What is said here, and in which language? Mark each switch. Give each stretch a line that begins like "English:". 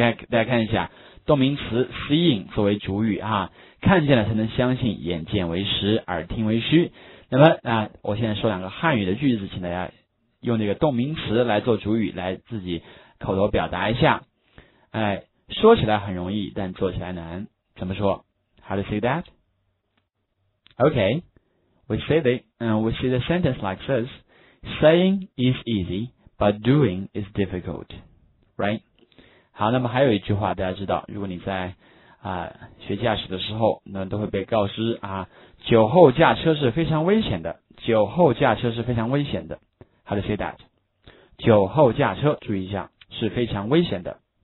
Chinese: 大家看一下，动名词 "seeing" 作为主语啊，看见了才能相信，眼见为实，耳听为虚。那么我现在说两个汉语的句子，请大家用这个动名词来做主语，来自己口头表达一下。哎，说起来很容易，但做起来难。怎么说？
English: How to say that? Okay, we see the sentence like this: Saying is easy, but doing is difficult, right?
Chinese: 好，那么还有一句话，大家知道，如果你在学驾驶的时候，那都会被告知啊，酒后驾车是非常危险的。酒后驾车是非常危险的。
English: How to say that?
Chinese: 酒后驾车，注意一下，是非常危险的。